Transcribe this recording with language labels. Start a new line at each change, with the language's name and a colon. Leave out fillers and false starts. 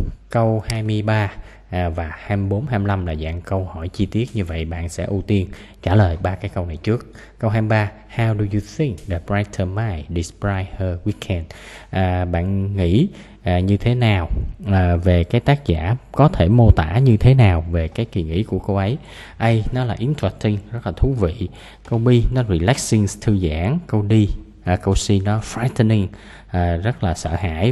Vietnamese: Câu 23 và 24, 25 là dạng câu hỏi chi tiết. Như vậy bạn sẽ ưu tiên trả lời ba cái câu này trước. Câu 23,
English: how do you think the brighter mind describes her weekend?
Vietnamese: Bạn nghĩ như thế nào về cái tác giả có thể mô tả như thế nào về cái kỳ nghỉ của cô ấy? A, nó là interesting, rất là thú vị. Câu B, nó relaxing, thư giãn. Câu D, câu C, nó frightening, rất là sợ hãi.